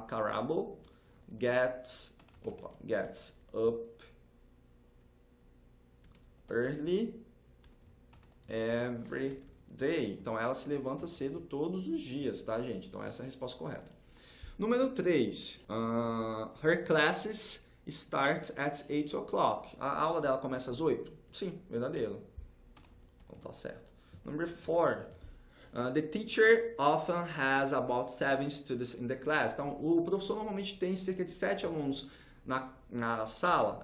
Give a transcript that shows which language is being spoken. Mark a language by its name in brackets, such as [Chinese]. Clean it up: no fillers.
[English] Carabo gets up early every day. [Portuguese] Então, ela se levanta cedo todos os dias, tá, gente? Então, essa é a resposta correta. Número 3. [English] Her classes start at 8 o'clock. [Portuguese] A aula dela começa às 8? Sim, verdadeiro. Então, tá certo. [English] Number four. The teacher often has about 7 students in the class. [Portuguese] Então, o professor normalmente tem cerca de 7 alunos na sala.